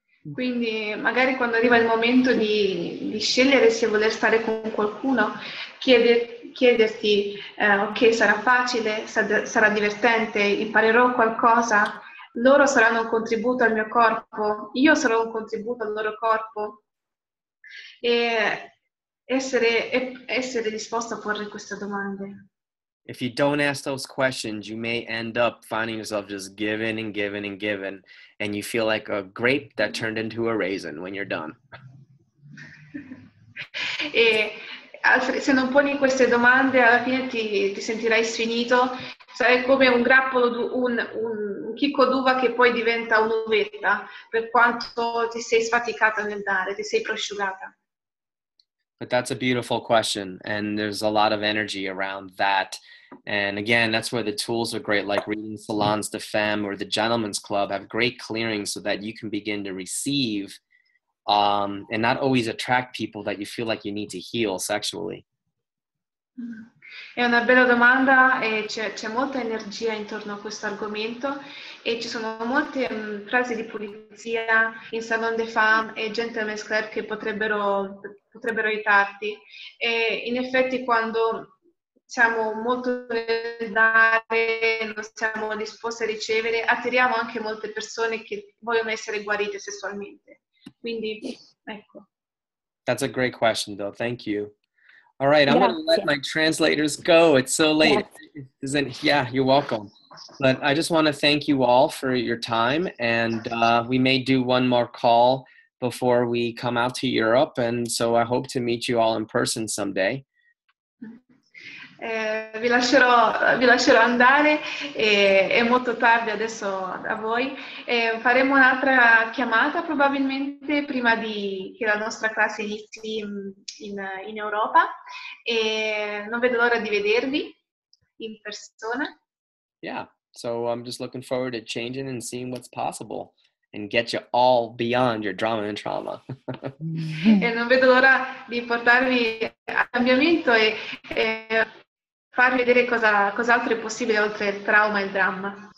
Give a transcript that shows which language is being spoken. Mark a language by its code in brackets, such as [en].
[it] Quindi magari quando arriva il momento di scegliere se voler stare con qualcuno, chiederti ok, sarà facile, sarà divertente, imparerò qualcosa, loro saranno un contributo al mio corpo, io sarò un contributo al loro corpo, e essere disposto a porre queste domande. [en] If you don't ask those questions, you may end up finding yourself just giving and giving and giving, and you feel like a grape that turned into a raisin when you're done. [it] E se non poni queste domande, alla fine ti sentirai sfinito. Sarai come un grappolo, un chicco d'uva che poi diventa un'uvetta, per quanto ti sei sfaticata nel dare, ti sei prosciugata. [en] But that's a beautiful question, and there's a lot of energy around that. And again, that's where the tools are great, like reading Salons de Femme or the Gentleman's Club have great clearings so that you can begin to receive and not always attract people that you feel like you need to heal sexually. [it] È una bella domanda, e c'è molta energia intorno a questo argomento, e ci sono molte frasi di pulizia in Salon de Femme e Gentleman's Club che potrebbero aiutarti. E in effetti, quando siamo molto nel dare, non siamo disposti a ricevere, attiriamo anche molte persone che vogliono essere guarite sessualmente. Quindi, ecco. [en] That's a great question, though. Thank you. All right, I'm going to let my translators go. It's so late. Yeah, you're welcome. But I just want to thank you all for your time, and we may do one more call before we come out to Europe, and so I hope to meet you all in person someday. [it] Vi lascerò andare, è molto tardi adesso da voi. Faremo un'altra chiamata probabilmente prima di che la nostra classe inizi in Europa. Non vedo l'ora di vedervi in persona. [en] Yeah, so I'm just looking forward to changing and seeing what's possible and get you all beyond your drama and trauma. [it] E non vedo l'ora di portarvi a cambiamento e far vedere cos'altro è possibile oltre il trauma e il dramma.